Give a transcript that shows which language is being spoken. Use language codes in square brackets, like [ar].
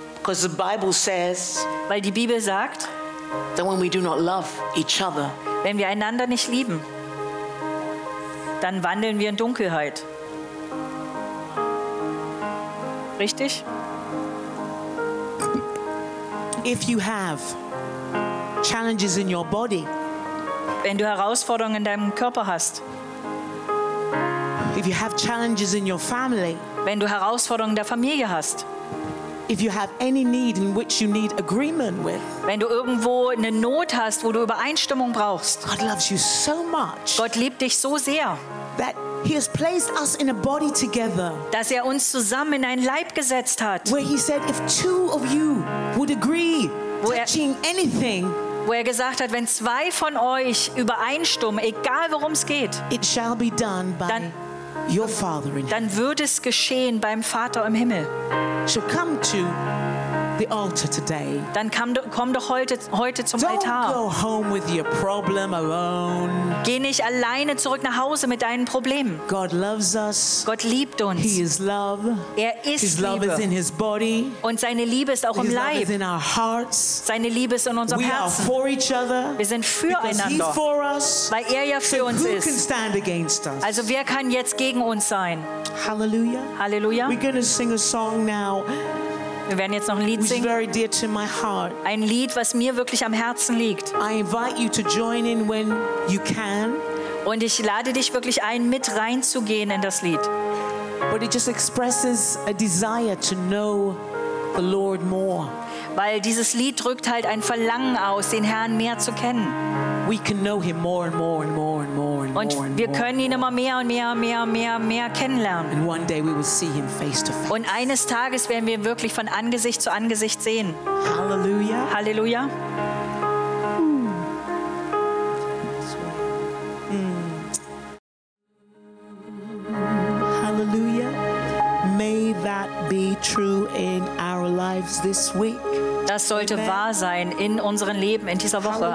[en] Because the Bible says, [de] weil die Bibel sagt, [en] that when we do not love each other, [de] wenn wir einander nicht lieben, dann wandeln wir in Dunkelheit. Richtig? [en] If you have challenges in your body, [de] wenn du Herausforderungen in deinem Körper hast, [en] if you have challenges in your family, [de] wenn du Herausforderungen in der Familie hast, [en] if you have any need in which you need agreement with, [de] wenn du irgendwo eine Not hast, wo du Übereinstimmung brauchst, [en] God loves you so much. [de] Gott liebt dich so sehr. [en] That he has placed us in a body together. [de] Dass er uns zusammen in einen Leib gesetzt hat. [en] Where he said if two of you would agree touching anything, [de] wo er gesagt hat, wenn zwei von euch übereinstimmen, egal worum es geht, [en] it shall be done by your Father in heaven. [de] Dann wird es geschehen beim Vater im Himmel. [en] So come to the altar today. [de] Dann komm doch heute zum [en] Don't [de] Altar. [en] Go home with your problem alone. [de] Geh nicht alleine zurück nach Hause mit deinen Problemen. [en] God loves us. [de] Gott liebt uns. [en] He is love. [de] Er ist [en] his [de] Liebe. [en] Love is in his body. [de] Und seine Liebe ist auch [en] his [de] im Leib. [en] Love is in our hearts. [de] Seine Liebe ist in unserem [en] we [de] Herzen. [en] Are for each other. [de] Wir sind füreinander. [en] For us. [de] Weil er ja für [en] so [de] uns [en] who [de] ist. [en] Can stand against us? [de] Also wer kann jetzt gegen uns sein? [en] Halleluja. [de] Halleluja. [en] We're going to sing a song now. [de] Wir werden jetzt noch ein Lied singen. [en] Very dear to my heart. [de] Ein Lied, was mir wirklich am Herzen liegt. [en] I invite you to join in when you can. [de] Und ich lade dich wirklich ein, mit reinzugehen in das Lied. [en] But it just expresses a desire to know the Lord more. [de] Weil dieses Lied drückt halt ein Verlangen aus, den Herrn mehr zu kennen. [en] We can know him more and more and more and more and more. [de] Und wir können ihn immer mehr und mehr und mehr und mehr und mehr kennenlernen. [en] And one day we will see him face to face. [de] Und eines Tages werden wir wirklich von Angesicht zu Angesicht sehen. [en] Halleluja. [de] Halleluja. [en] Halleluja. May that be true in our lives this week. [de] das sollte Amen. Wahr sein in unserem Leben in dieser Woche.